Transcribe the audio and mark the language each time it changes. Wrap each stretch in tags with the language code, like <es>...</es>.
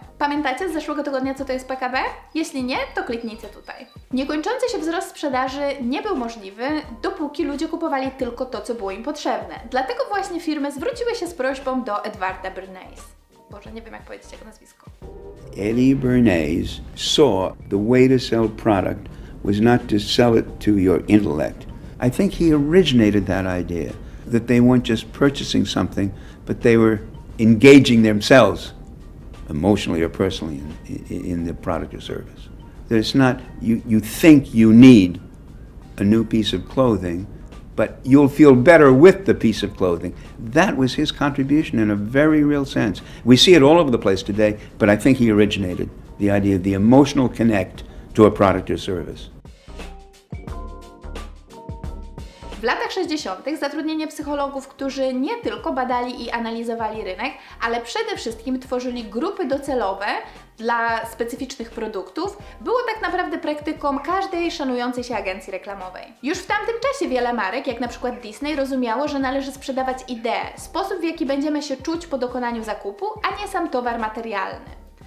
<pl>Pamiętacie z zeszłego tygodnia, co to jest PKB? Jeśli nie, to kliknijcie tutaj. Niekończący się wzrost sprzedaży nie był możliwy, dopóki ludzie kupowali tylko to, co było im potrzebne. Dlatego właśnie firmy zwróciły się z prośbą do Edwarda Bernays. Boże, nie wiem, jak powiedzieć jego nazwisko.</pl> <en>Eddie Bernays saw the way to sell product was not to sell it to your intellect. I think he originated that idea, that they weren't just purchasing something, but they were engaging themselves emotionally or personally in the product or service. That it's not, you think you need a new piece of clothing, but you'll feel better with the piece of clothing. That was his contribution in a very real sense. We see it all over the place today, but I think he originated the idea of the emotional connect to a product or service.</en> <pl>W latach 60. zatrudnienie psychologów, którzy nie tylko badali i analizowali rynek, ale przede wszystkim tworzyli grupy docelowe dla specyficznych produktów, było tak naprawdę praktyką każdej szanującej się agencji reklamowej. Już w tamtym czasie wiele marek, jak na przykład Disney, rozumiało, że należy sprzedawać ideę, sposób, w jaki będziemy się czuć po dokonaniu zakupu, a nie sam towar materialny.</pl>